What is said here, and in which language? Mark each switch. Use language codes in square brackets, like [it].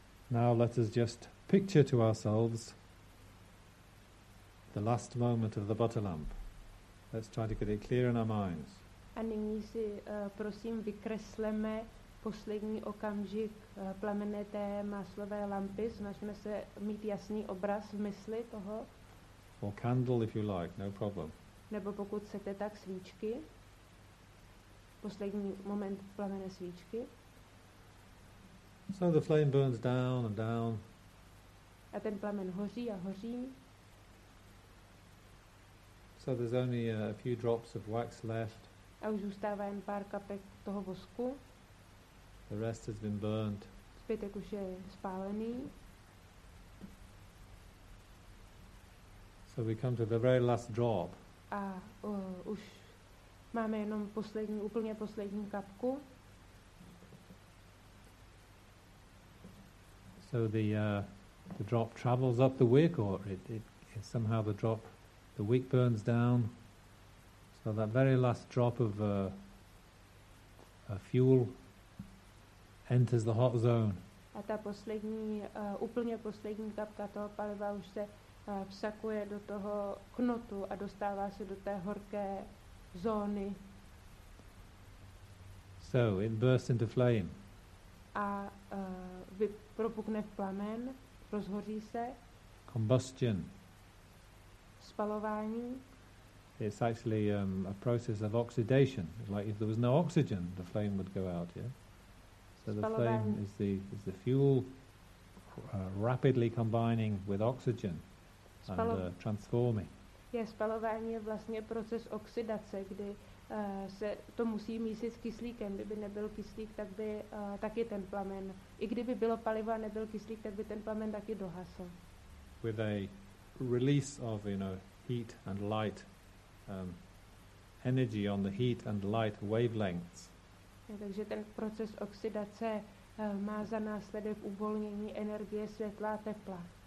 [en] Now let us just picture to ourselves the last moment of the butter lamp. Let's try to get it clear in our minds. [cs] A nyní si prosím vykresleme poslední okamžik plamené té máslové lampy. Snažíme se mít jasný obraz v mysli toho. [en] Or candle if you like, no problem. [cs] Nebo pokud chcete, tak svíčky. Poslední moment plamené svíčky. [en] So the flame burns down and down. [cs] A ten plamen hoří a hoří. [en] So there's only a few drops of wax left. [cs] A už zůstává jen pár kapek toho vosku. [en] The rest has been burned. [cs] Zbytek už je spálený. [en] So we come to the very last drop. [cs] A už máme jenom poslední, úplně poslední kapku. [en] So the drop travels up the wick, or it somehow the wick burns down. So that very last drop of fuel enters the hot zone. [cs] A ta poslední, úplně poslední kapka toho paliva už se vsakuje do toho knotu a dostává se do té horké zóny. [en] So it bursts into flame. [cs] A propukne v plamen, rozhoří se. [en] Combustion. [cs] Spalování. [en] It's actually a process of oxidation. Like if there was no oxygen, the flame would go out, yeah? So the flame is the fuel rapidly combining with oxygen and transforming. [cs] Yeah, spalování je vlastně proces oxidace, kdy se to musí mísit s kyslíkem. Kdyby nebyl kyslík, tak by taky ten plamen. I kdyby bylo palivo a nebyl kyslík, tak by ten plamen taky dohasl. [en] With a release of, you know, heat and light, energy on the heat and light wavelengths. [cs] Takže ten proces oxidace má za následek uvolnění energie světla a tepla.